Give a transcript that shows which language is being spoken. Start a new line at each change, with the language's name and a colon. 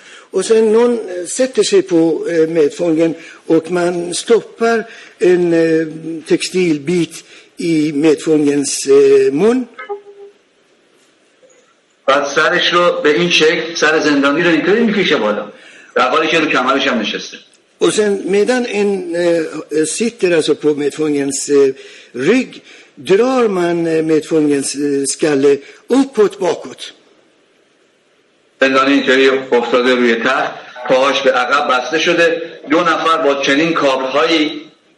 Swedish: Och sen någon sätter sig på medfången och man stoppar en textilbit i medfångens mun.
Persian: بعد سرش رو به این شکل، سر زندانی رو اینطوری میکشه بالا در حالی که رو کمرش هم نشسته.
Swedish: و sen medan en sitter alltså på medfångens rygg drar man medfångens skalle uppåt bakåt.
Persian: زندانی اینطوری افتاده روی تخت، پاهاش به عقب بسته شده، دو نفر با چنین کابل‌هایی